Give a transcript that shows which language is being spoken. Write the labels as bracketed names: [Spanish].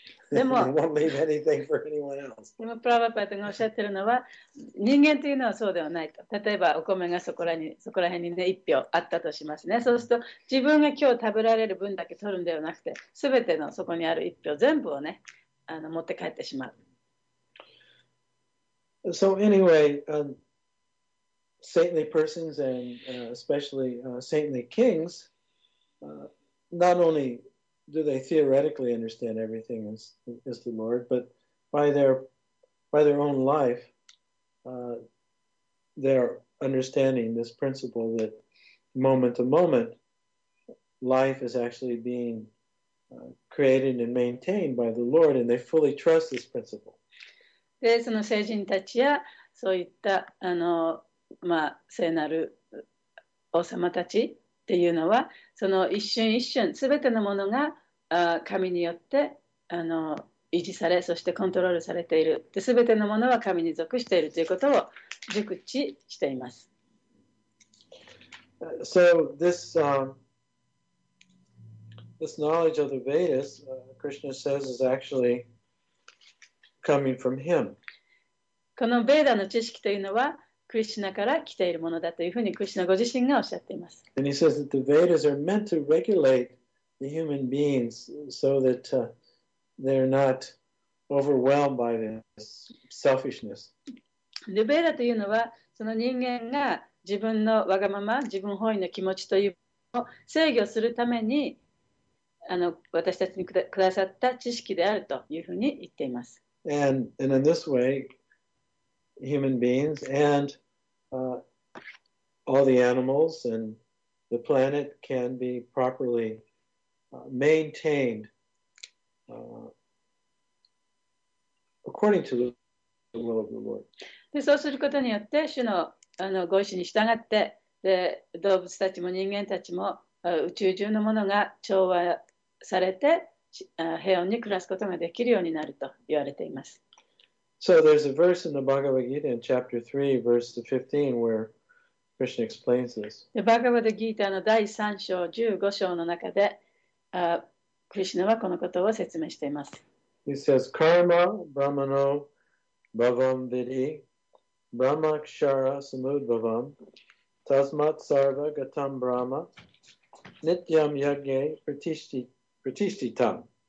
[Japanese] でも、 [English] he won't leave anything for anyone else. [Japanese] でも、プラバパトがおっしゃってるのは、人間というのはそうではないと。例えば、お米がそこら辺にね、一票あったとしますね。そうすると、自分が今日食べられる分だけ取るんではなくて、すべてのそこにある一票全部をね、持って帰ってしまう。 [English] So anyway,Saintly persons and especially saintly kings, not only do they theoretically understand everything is the Lord, but by their own life, they're understanding this principle that moment to moment, life is actually being created and maintained by the Lord, and they fully trust this principle. [Japanese] で、その聖人たちやそういったまあ、聖なる王様たちっていうのはその一瞬一瞬全てのものが神によって維持されそしてコントロールされているで全てのものは神に属しているということを熟知しています。 [English] So this, this knowledge of the Vedas Krishna says is actually coming from him. [Japanese] このベーダの知識というのはクリシナから来ているものだというふうにクリシナご自身がおっしゃっています。 [English] And he says that the Vedas are meant to regulate the human beings so that they're not overwhelmed by this selfishness. [Japanese] ルベーラというのはその人間が自分のわがまま自分本位の気持ちというのを制御するためにあの私たちにくださった知識であるというふうに言っています。 [English] and in this way human beings andall the animals and the planet can be properly maintained according to the will of the Lord. [Japanese] で、そうすることによって主の、あの、ご意志に従って、で、動物たちも人間たちも、宇宙中のものが調和されて、平穏に暮らすことができるようになると言われています。 [English] So there's a verse in the Bhagavad Gita in chapter 3, verse 15, where Krishna explains this. [Japanese] The Bhagavad Gita の第3章、15章の中で、クリシュナはこのことを説明しています。 [English] He says, [Sanskrit] Karma Brahmano Bhavam Vidhi Brahmakshara Samudbhavam Tasmat Sarva Gatam Brahma Nityam Yagye Pratishtitam.